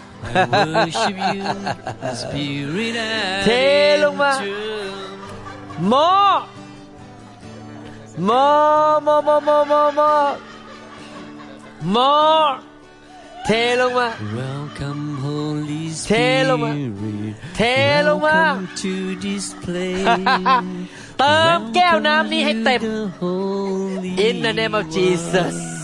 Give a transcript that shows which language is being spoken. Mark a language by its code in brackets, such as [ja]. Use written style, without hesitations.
[en] I worship you, Spirit and truth. [th] เทลงมา [en] more. [th] เทลงมา [en] Welcome, Holy Spirit. [th] เทลงมา เทลงมา [en] Welcome to this place. [th] เติมแก้วน้ำนี้ให้เต็ม [en] In the name of Jesus.